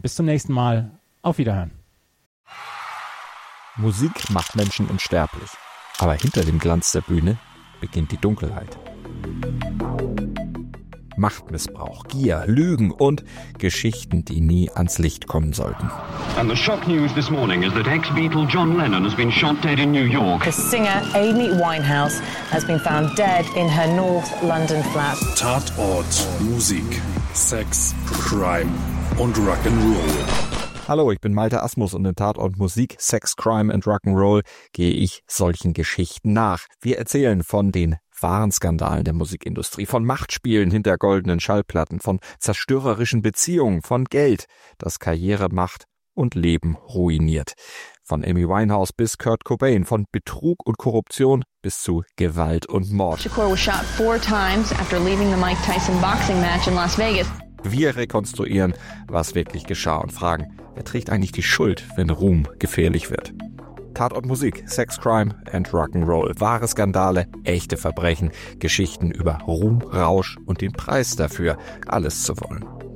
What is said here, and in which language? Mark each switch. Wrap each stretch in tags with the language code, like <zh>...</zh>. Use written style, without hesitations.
<de>Bis zum nächsten Mal. Auf Wiederhören. Musik macht Menschen unsterblich. Aber hinter dem Glanz der Bühne beginnt die Dunkelheit. Machtmissbrauch, Gier, Lügen und Geschichten, die nie ans Licht kommen sollten.</de> <en>And the shock news this morning is that ex-Beatle John Lennon has been shot dead in New York. The singer Amy Winehouse has been found dead in her North London flat.</en> <de>Tatort, Musik, Sex, Crime und Rock'n'Roll. Hallo, ich bin Malte Asmus und in Tatort Musik, Sex, Crime and Rock'n'Roll gehe ich solchen Geschichten nach. Wir erzählen von den wahren Skandalen der Musikindustrie, von Machtspielen hinter goldenen Schallplatten, von zerstörerischen Beziehungen, von Geld, das Karriere, Macht und Leben ruiniert. Von Amy Winehouse bis Kurt Cobain, von Betrug und Korruption bis zu Gewalt und Mord.</de> <en>Shakur was shot 4 times after leaving the Mike Tyson boxing match in Las Vegas.</en> <de>Wir rekonstruieren, was wirklich geschah und fragen, wer trägt eigentlich die Schuld, wenn Ruhm gefährlich wird? Tatort Musik, Sex, Crime and Rock'n'Roll. Wahre Skandale, echte Verbrechen, Geschichten über Ruhm, Rausch und den Preis dafür, alles zu wollen.</de>